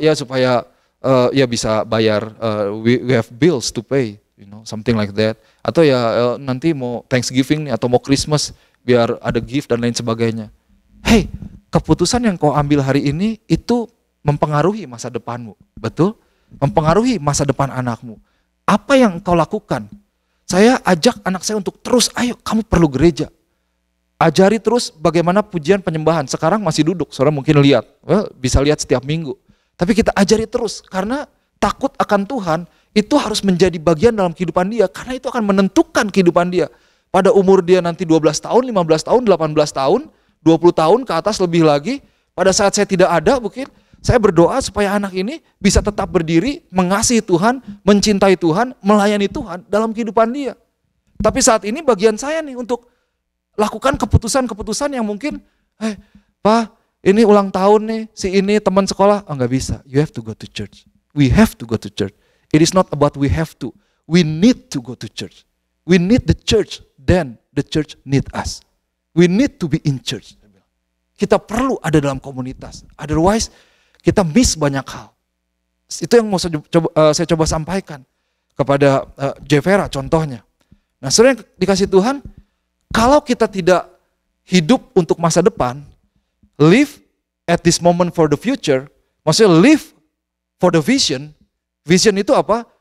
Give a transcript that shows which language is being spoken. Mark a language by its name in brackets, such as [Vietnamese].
[Indonesian] Ya supaya ya bisa bayar [English] we have bills to pay, you know, something like that. [Indonesian] Atau ya nanti mau Thanksgiving nih atau mau Christmas biar ada gift dan lain sebagainya. Hey, keputusan yang kau ambil hari ini itu mempengaruhi masa depanmu, betul? Mempengaruhi masa depan anakmu. Apa yang engkau lakukan? Saya ajak anak saya untuk terus, ayo kamu perlu gereja. Ajari terus bagaimana pujian penyembahan. Sekarang masih duduk, saudara mungkin lihat. Well, bisa lihat setiap minggu. Tapi kita ajari terus, karena takut akan Tuhan, itu harus menjadi bagian dalam kehidupan dia, karena itu akan menentukan kehidupan dia. Pada umur dia nanti 12 tahun, 15 tahun, 18 tahun, 20 tahun ke atas lebih lagi, pada saat saya tidak ada mungkin, saya berdoa supaya anak ini bisa tetap berdiri, mengasihi Tuhan, mencintai Tuhan, melayani Tuhan dalam kehidupan dia. Tapi saat ini bagian saya nih untuk lakukan keputusan-keputusan yang mungkin, Pak, ini ulang tahun nih, si ini teman sekolah. Oh, enggak bisa, [English] you have to go to church. We have to go to church. It is not about we have to. We need to go to church. We need the church, then the church need us. We need to be in church. [Indonesian] Kita perlu ada dalam komunitas. [English] Otherwise, [Indonesian] kita miss banyak hal. Itu yang mau saya coba sampaikan kepada Jevera contohnya. Nah, sebenarnya yang dikasih Tuhan, kalau kita tidak hidup untuk masa depan, [English] live at this moment for the future, [Indonesian] maksudnya [English] live for the vision. [Indonesian] Vision itu apa?